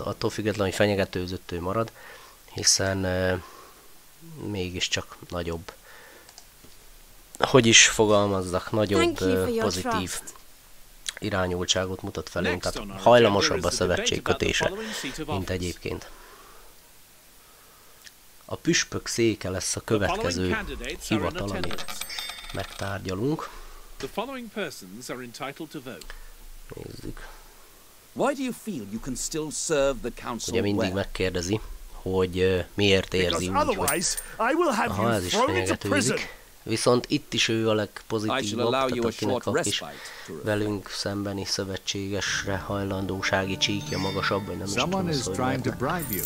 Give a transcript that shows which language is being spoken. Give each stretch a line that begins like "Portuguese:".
Hungarian: Attól függetlenül, hogy fenyegetőzött, ő marad, hiszen mégiscsak nagyobb, hogy is fogalmazzak, nagyobb pozitív irányultságot mutat felünk, tehát hajlamosabb a szövetség kötése, mint egyébként. A püspök széke lesz a következő hivatal, amit megtárgyalunk.
English: The following persons are entitled to vote. Why do you feel you can still serve the council?
Hungarian: Ugye mindig megkérdezi, hogy miért érzi úgy, hogy
English: I will have you thrown into prison.
Hungarian: Viszont itt is ő a legpozitívabb, akinek a kis velünk szembeni szövetségesre hajlandósági csíkja magasabb, vagy nem is tudom, hogy miért.